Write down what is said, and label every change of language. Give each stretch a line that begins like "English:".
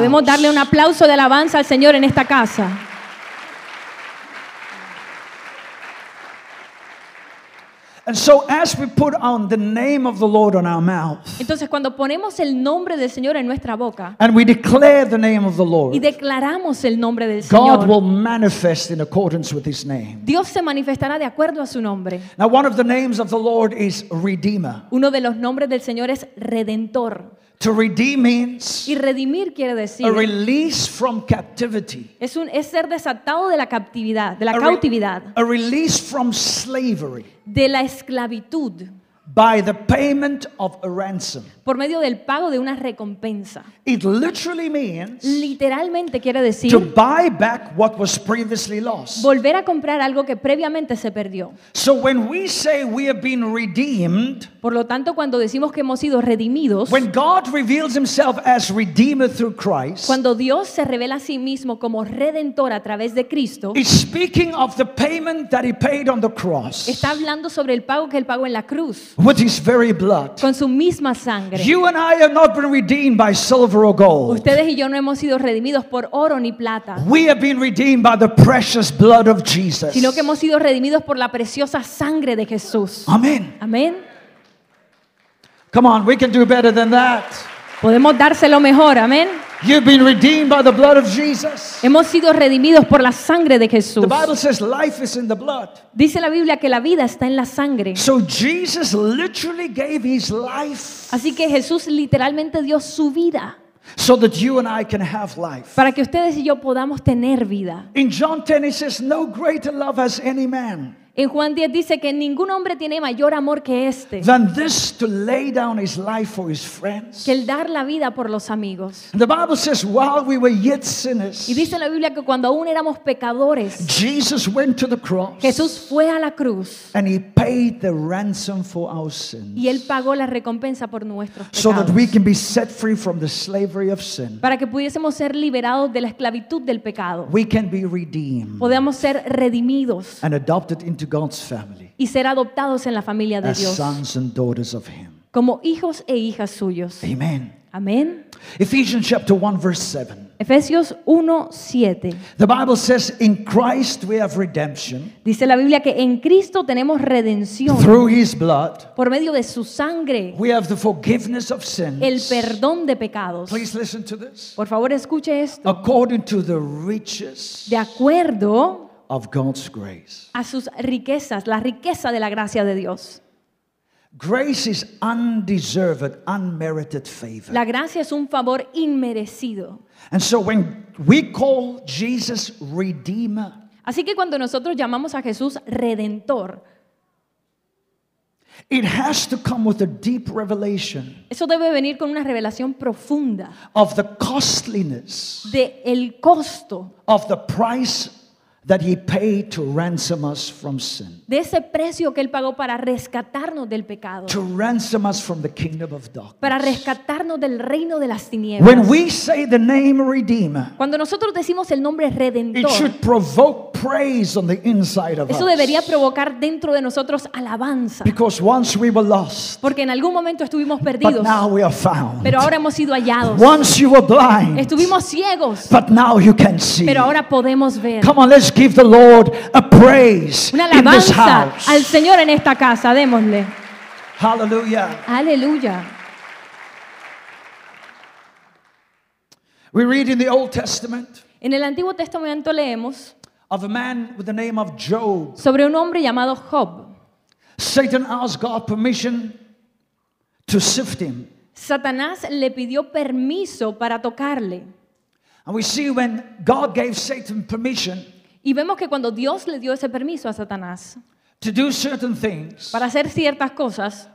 Spanish: Podemos darle un aplauso de alabanza al Señor en esta casa.
English: And so as we put on the name of the Lord on our mouth,
Spanish: entonces cuando ponemos el nombre del Señor en nuestra boca,
English: and we declare the name of the Lord,
Spanish: y declaramos el nombre del Señor,
English: God will manifest in accordance with his name.
Spanish: Dios se manifestará de acuerdo a su nombre.
English: Now one of the names of the Lord is Redeemer.
Spanish: Uno de los nombres del Señor es Redentor.
English: To redeem means,
Spanish: y redimir quiere decir,
English: a release from captivity,
Spanish: es ser desatado de la captividad, de la cautividad,
English: a release from slavery,
Spanish: de la esclavitud,
English: by the payment of a ransom,
Spanish: por medio del pago de una recompensa.
English: It literally means,
Spanish: literalmente quiere decir,
English: to buy back what was previously lost,
Spanish: volver a comprar algo que previamente se perdió.
English: So when we say we have been redeemed,
Spanish: por lo tanto cuando decimos que hemos sido redimidos,
English: when God reveals himself as redeemer through Christ,
Spanish: cuando Dios se revela a sí mismo como redentor a través de Cristo,
English: is speaking of the payment that he paid on the cross.
Spanish: Está hablando sobre el pago que él pagó en la cruz.
English: with his very blood.
Spanish: Con su misma sangre.
English: You and I have not been redeemed by silver or gold.
Spanish: Ustedes y yo no hemos sido redimidos por oro ni plata.
English: We have been redeemed by the precious blood of Jesus.
Spanish: Sino que hemos sido redimidos por la preciosa sangre de Jesús.
English: Amen.
Spanish: Amen.
English: Come on, we can do better than that.
Spanish: Podemos dárselo mejor, amén.
English: You've been redeemed by the blood of Jesus.
Spanish: Hemos sido redimidos por la sangre de Jesús.
English: The Bible says life is in the blood.
Spanish: Dice la Biblia que la vida está en la sangre.
English: So Jesus literally gave his life.
Spanish: Así que Jesús literalmente dio su vida.
English: So that you and I can have life.
Spanish: Para que ustedes y yo podamos tener vida.
English: In John 10 it says, no greater love has any man.
Spanish: En Juan 10 dice que ningún hombre tiene mayor amor que este.
English: Than this, to lay down his life for his friends.
Spanish: Que el dar la vida por los amigos.
English: The Bible says, while we were yet sinners.
Spanish: Y dice la Biblia que cuando aún éramos pecadores.
English: Jesus went to the cross.
Spanish: Jesús fue a la cruz.
English: And he paid the ransom for our sins.
Spanish: Y él pagó la recompensa por nuestros pecados.
English: So that we can be set free from the slavery of sin.
Spanish: Para que pudiésemos ser liberados de la esclavitud del pecado.
English: We can be redeemed.
Spanish: Podemos ser redimidos.
English: And adopted into God's family.
Spanish: Y ser adoptados en la familia de Dios.
English: As sons and daughters of him.
Spanish: Como hijos e hijas suyos.
English: Amen.
Spanish: Amen.
English: Ephesians chapter 1 verse 7.
Spanish: Efesios 1:7.
English: The Bible says in Christ we have redemption.
Spanish: Dice la Biblia que en Cristo tenemos redención.
English: Through his blood.
Spanish: Por medio de su sangre.
English: We have the forgiveness of sins.
Spanish: El perdón de pecados.
English: Please listen to this.
Spanish: Por favor, escuche esto.
English: According to the riches.
Spanish: De acuerdo
English: of God's grace.
Spanish: A sus riquezas, la riqueza de la gracia de Dios.
English: Grace is undeserved, unmerited favor.
Spanish: La gracia es un favor inmerecido.
English: And so when we call Jesus Redeemer,
Spanish: así que cuando nosotros llamamos a Jesús Redentor,
English: it has to come with a deep revelation.
Spanish: Eso debe venir con una revelación profunda.
English: Of the costliness.
Spanish: De el costo.
English: Of the price that he paid to ransom us from sin.
Spanish: De ese precio que él pagó para rescatarnos del pecado.
English: To ransom us from the kingdom of darkness.
Spanish: Para rescatarnos del reino de las tinieblas.
English: When we say the name Redeemer.
Spanish: Cuando nosotros decimos el nombre Redentor.
English: It should provoke praise on the inside of us.
Spanish: Eso debería provocar dentro de nosotros alabanza.
English: Because once we were lost.
Spanish: Porque en algún momento estuvimos perdidos.
English: But now we are found.
Spanish: Pero ahora hemos sido hallados.
English: Once you were blind.
Spanish: Estuvimos ciegos.
English: But now you can see.
Spanish: Pero ahora podemos ver.
English: Come on, let's give the Lord a praise.
Spanish: Una alabanza
English: in this house.
Spanish: Al Señor en esta casa, démosle.
English: Hallelujah.
Spanish: Aleluya.
English: We read in the Old Testament.
Spanish: En el Antiguo Testamento leemos.
English: Of a man with the name of Job.
Spanish: Sobre un hombre llamado Job.
English: Satan asked God permission to sift him.
Spanish: Satanás le pidió permiso para tocarle.
English: And we see when God gave Satan permission.
Spanish: Y vemos que cuando Dios le dio ese permiso a Satanás
English: to do certain things,
Spanish: para hacer ciertas cosas,